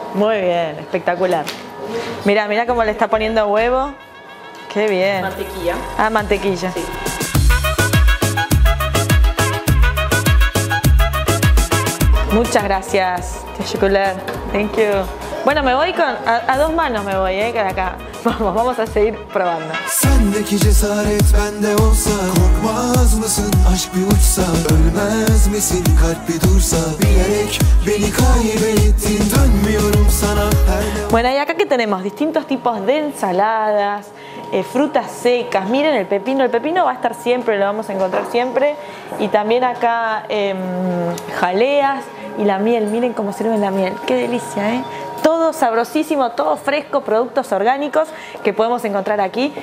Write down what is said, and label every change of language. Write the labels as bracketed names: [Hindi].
[Spanish] Muy bien, espectacular. Mira, mira cómo le está poniendo huevo. Qué bien. Mantequilla. Ah, mantequilla. Sí. Muchas gracias. [English] Thank you. [Spanish] Bueno, me voy con a dos manos me voy, que acá. Vamos a seguir probando. [Turkish] Sendeki cesaret bende olsa, korkmaz mısın aşk bir uçsa, ölmez misin kalp bir dursa, bilerek beni kaybettin, dönmüyorum sana. [Spanish] Bueno, y acá que tenemos distintos tipos de ensaladas. Frutas secas, miren el pepino va a estar siempre, lo vamos a encontrar siempre. Y también acá jaleas y la miel, miren cómo sirve la miel, qué delicia, ¿eh? Todo sabrosísimo, todo fresco, productos orgánicos que podemos encontrar aquí.